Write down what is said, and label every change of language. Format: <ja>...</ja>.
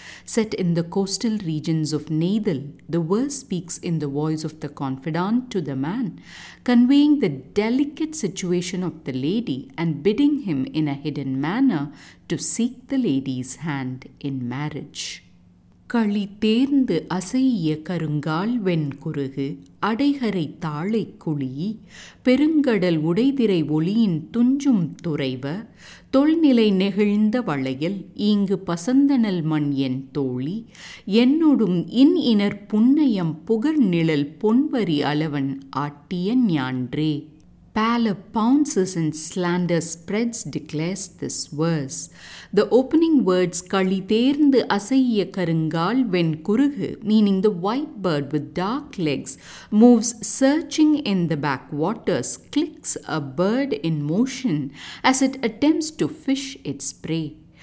<en>Set in the coastal regions of Nadal, the verse speaks in the voice of the confidant to the man, conveying the delicate situation of the lady and bidding him in a hidden manner to seek the lady's hand in marriage.</en> <ta>Kali தேர்ந்து அசைய கருங்கால் வெண்குருகு அடைகரை தாளை குழி பெருங்கடல் உடைதிரை ஒளியின் துஞ்சும் துறைவ தொல்நிலை நெகிழ்ந்த வளையல் இங்கு பசந்தனல் மண் என் தோழி என்னொடும் இன் இனர் புன்னயம் புகழ் நிழல் பொன்வரி அளவன் ஆட்டிய ஞான்றே.</ta> <en>Pallor pounces and slander spreads, declares this verse. The opening words,</en> <ta>Kali thernthu asaiya karungal ven kurugu,</ta> <en>meaning the white bird with dark legs, moves searching in the backwaters, clicks a bird in motion as it attempts to fish its prey.</en>